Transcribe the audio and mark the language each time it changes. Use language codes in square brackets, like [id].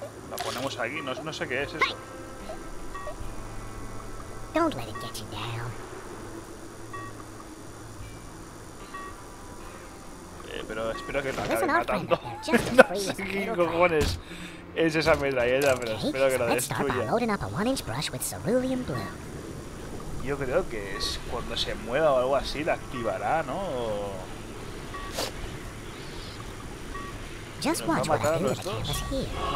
[es] La ponemos aquí, no sé qué es eso. [en] Don't let it get you down. [es] Pero espero que no acabe matando. No sé qué cojones es esa ametralleta, pero espero que lo destruya. [en] Okay, so let's start by loading up a 1-inch brush with cerulean blue. [es] Yo creo que es cuando se mueva o algo así, la activará, ¿no? [en] Just watch what the enemy does here.